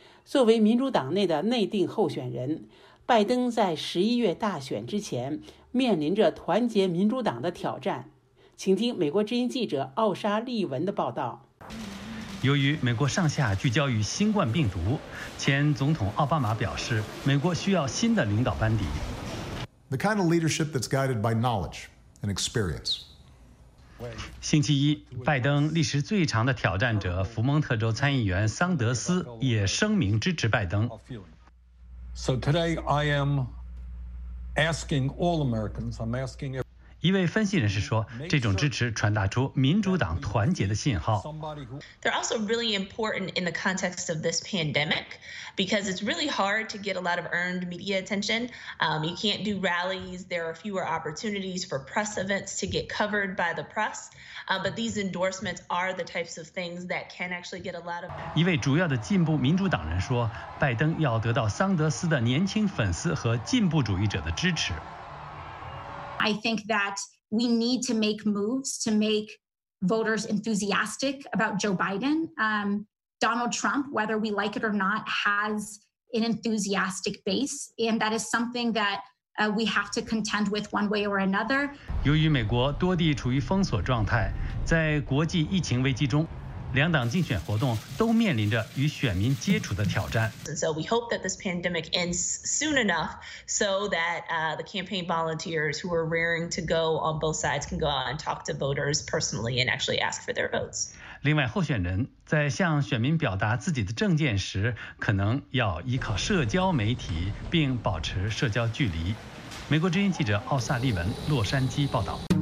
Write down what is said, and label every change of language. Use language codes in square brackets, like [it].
[zh] 作为民主党内的内定候选人，拜登在11月大选之前面临着团结民主党的挑战。请听美国之音记者奥沙利文的报道。由于美国上下聚焦于新冠病毒，前总统奥巴马表示，美国需要新的领导班底。 [en] The kind of leadership that's guided by knowledge and experience. [zh] 星期一，拜登历时最长的挑战者福蒙特州参议员桑德斯也声明支持拜登。 [en] So today I am asking all Americans, I'm asking everyone. [zh] 一位分析人士说，这种支持传达出民主党团结的信号。 [en] They're also really important in the context of this pandemic, because it's really hard to get a lot of earned media attention. You can't do rallies. There are fewer opportunities for press events to get covered by the press. But these endorsements are the types of things that can actually get a lot of. [zh] 一位主要的进步民主党人说，拜登要得到桑德斯的年轻粉丝和进步主义者的支持。 [en] I think that we need to make moves to make voters enthusiastic about Joe Biden. Donald Trump, whether we like it or not, has an enthusiastic base, and that is something that we have to contend with one way or another. [zh] 由于美国多地处于封锁状态，在国际疫情危机中，两党竞选活动都面临着与选民接触的挑战。 [en] So we hope that this pandemic ends soon enough so that the campaign volunteers who are raring to go on both sides can go out and talk to voters personally and actually ask for their votes. [zh] 另外，候选人在向选民表达自己的政见时，可能要依靠社交媒体并保持社交距离。美国之音记者奥萨利文，洛杉矶报道。